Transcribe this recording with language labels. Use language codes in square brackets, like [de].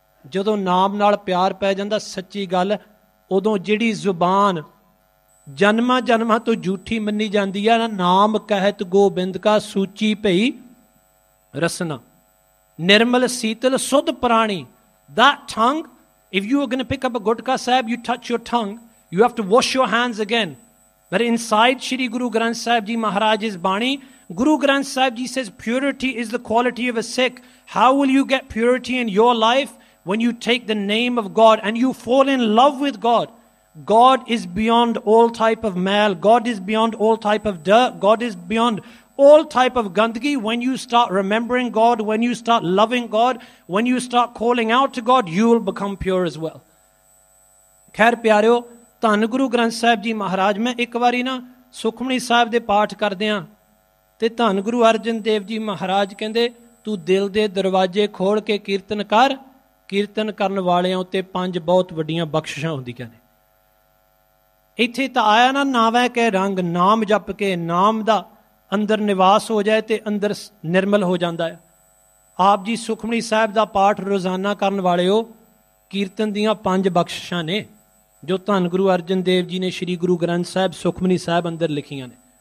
[pa] ਜਦੋਂ ਨਾਮ ਨਾਲ ਪਿਆਰ ਪੈ ਜਾਂਦਾ ਸੱਚੀ ਗੱਲ, ਉਦੋਂ ਜਿਹੜੀ ਜ਼ੁਬਾਨ ਜਨਮਾਂ ਜਨਮਾਂ ਤੋਂ ਜੂਠੀ ਮੰਨੀ ਜਾਂਦੀ ਆ ਨਾ, ਨਾਮ ਕਹਿਤ ਗੋਬਿੰਦ ਕਾ ਸੂਚੀ ਭਈ ਰਸਨਾ, ਨਿਰਮਲ ਸੀਤਲ ਸੁੱਧ ਪ੍ਰਾਣੀ। [en] That thing, if you gonna pick up Gutka Sahib you touch your thing, you have to wash your hands again. But inside Shri Guru Granth Sahib ji Maharaj [pa] ਇਸ ਬਾਣੀ, [en] Guru Granth Sahib ji says purity is the quality of a Sikh. How will you get purity in your life when you take the name of God and you fall in love with God? God is beyond all type of mal, God is beyond all type of dirt, God is beyond all type of gandagi. When you start remembering God, when you start loving God, when you start calling out to God, you will become pure as well. [pa] Khair pyareo, Dhan Guru Granth Sahib Ji Maharaj, main ek wari na Sukhmani Sahib de paath karde ha te Dhan Guru Arjan Dev Ji Maharaj kende tu dil de darwaje khol ke kirtan kar, ਕੀਰਤਨ ਕਰਨ ਵਾਲਿਆਂ ਉੱਤੇ ਪੰਜ ਬਹੁਤ ਵੱਡੀਆਂ ਬਖਸ਼ਿਸ਼ਾਂ ਹੁੰਦੀਆਂ ਨੇ। ਇੱਥੇ ਤਾਂ ਆਇਆ ਨਾ ਨਾਵੈ ਕੇ ਰੰਗ, ਨਾਮ ਜਪ ਕੇ ਨਾਮ ਦਾ ਅੰਦਰ ਨਿਵਾਸ ਹੋ ਜਾਏ ਅਤੇ ਅੰਦਰ ਨਿਰਮਲ ਹੋ ਜਾਂਦਾ ਹੈ। ਆਪ ਜੀ ਸੁਖਮਣੀ ਸਾਹਿਬ ਦਾ ਪਾਠ ਰੋਜ਼ਾਨਾ ਕਰਨ ਵਾਲਿਓ, ਕੀਰਤਨ ਦੀਆਂ ਪੰਜ ਬਖਸ਼ਿਸ਼ਾਂ ਨੇ ਜੋ ਧੰਨ ਗੁਰੂ ਅਰਜਨ ਦੇਵ ਜੀ ਨੇ ਸ਼੍ਰੀ ਗੁਰੂ ਗ੍ਰੰਥ ਸਾਹਿਬ ਸੁਖਮਣੀ ਸਾਹਿਬ ਅੰਦਰ ਲਿਖੀਆਂ ਨੇ।